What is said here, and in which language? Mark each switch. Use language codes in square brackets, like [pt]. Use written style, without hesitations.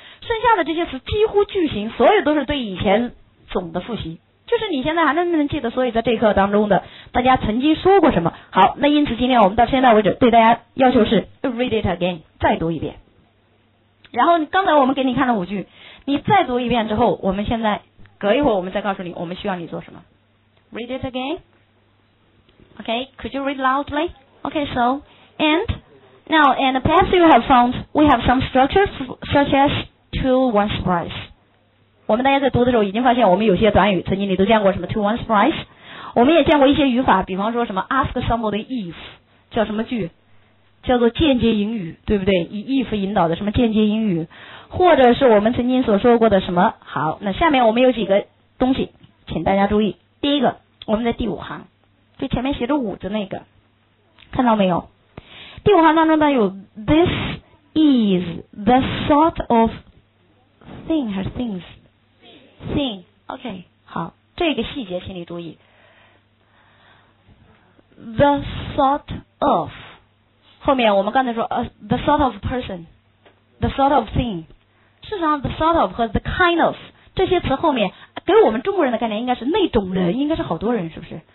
[zh] 剩下的这些词几乎句型所有都是对以前总的复习，就是你现在还能不能记得，所以在这课当中的大家曾经说过什么。好，那因此今天我们到现在为止对大家要求是 [en] read it again， [zh] 再读一遍。然后刚才我们给你看了五句，你再读一遍之后，我们现在隔一会儿我们再告诉你我们需要你做什么。 [en] Read it again. Okay, could you read loudly? Okay, so and now and perhaps you have found we have some structures such as to one's price. [zh] 我们大家在读的时候已经发现我们有些短语曾经你都见过什么 to one's price， 我们也见过一些语法，比方说什么 [en] ask somebody if [zh] 叫什么句，叫做间接引语，对不对？以 if 引导的什么间接引语，或者是我们曾经所说过的什么。好，那下面我们有几个东西请大家注意。第一个，我们在第五行就前面写着五的那个，看到没有？第五行当中呢有 [en] this is the sort of thing [zh] 还是 things thing， OK， 好，这个细节请你注意。 The sort of， 后面我们刚才说 [en] the sort of person， [zh] the sort of thing， 事实上 the sort of 和 the kind of 这些词后面给我们中国人的概念应该是那种人，应该是好多人，是不是？